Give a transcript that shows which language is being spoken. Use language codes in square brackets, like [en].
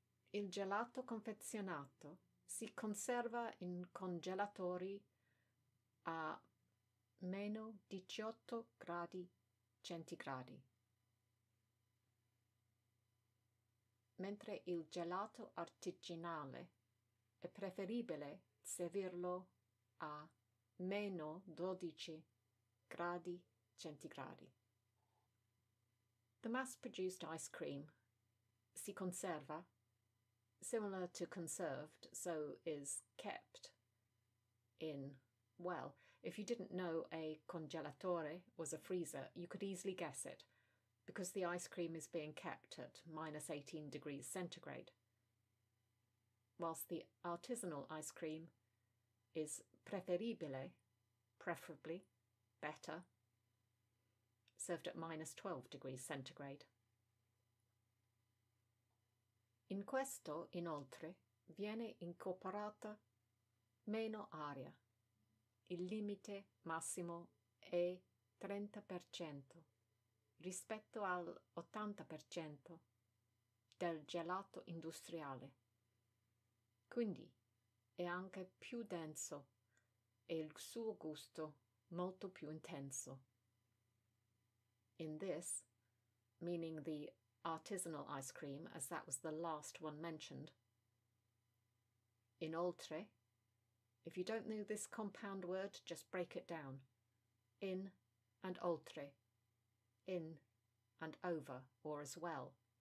[it] Il gelato confezionato si conserva in congelatori a meno 18 gradi centigradi, mentre il gelato artigianale è preferibile servirlo a meno 12 gradi centigradi. [en] The mass-produced ice cream, [it] si conserva, [en] similar to conserved, so is kept in, well, if you didn't know a congelatore was a freezer, you could easily guess it, because the ice cream is being kept at minus 18 degrees centigrade, whilst the artisanal ice cream is preferibile, preferably, better, served at minus 12 degrees centigrade. [it] In questo, inoltre, viene incorporata meno aria. Il limite massimo è 30% rispetto al 80% del gelato industriale. Quindi, è anche più denso e il suo gusto molto più intenso. [en] In this, meaning the artisanal ice cream, as that was the last one mentioned. Inoltre, if you don't know this compound word, just break it down. In and oltre. In and over, or as well.